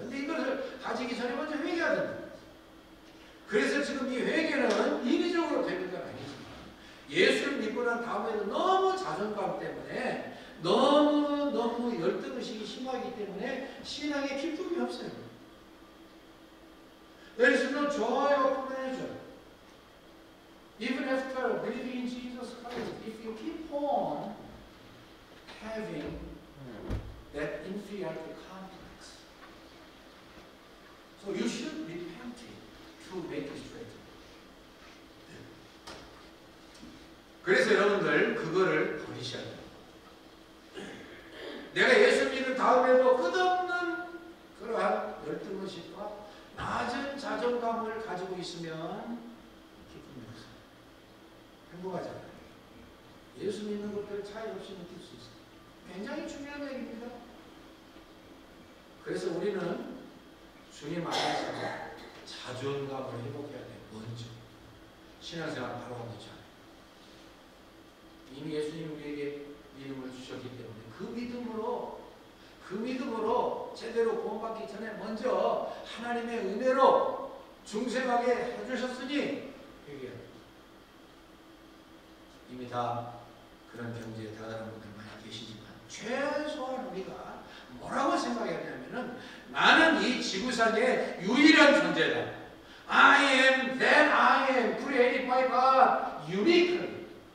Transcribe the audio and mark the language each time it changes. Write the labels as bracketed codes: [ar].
[ko] 근데 이것을 가지기 전에 먼저 회개해야 된다. 그래서 지금 이 회개는 인위적으로 되는 건 아니죠. 예수를 믿고 난 다음에도 너무 자존감 때문에, 너무 열등의식이 심하기 때문에 신앙에 기쁨이 없어요. [en] There is no joy or pleasure. Even after believing in Jesus Christ, if you keep on having that inferiority complex, so you should be tempted to make it straight. [ko] 그래서 여러분들, 그거를 버리셔야 돼요. 내가 예수 믿은 다음에도 끝없는 그러한 열등의식과 낮은 자존감을 가지고 있으면 기쁨이 없어요. 행복하지 않아요. 예수 믿는 것들 차이 없이 느낄 수 있어요. 굉장히 중요한 얘기입니다. 그래서 우리는 주님 안에서 자존감을 회복해야 돼요. 먼저 신앙생활 바로 먼저 이미 예수님 우리에게 믿음을 주셨기 때문에 그 믿음으로 제대로 구원받기 전에 먼저 하나님의 은혜로 중생하게 해주셨으니 이미 다 그런 경지에 다다른 분들 많이 계시지만 최소한 우리가 뭐라고 생각했냐면은 나는 이 지구상의 유일한 존재다. [en] I am that I am created by God uniquely.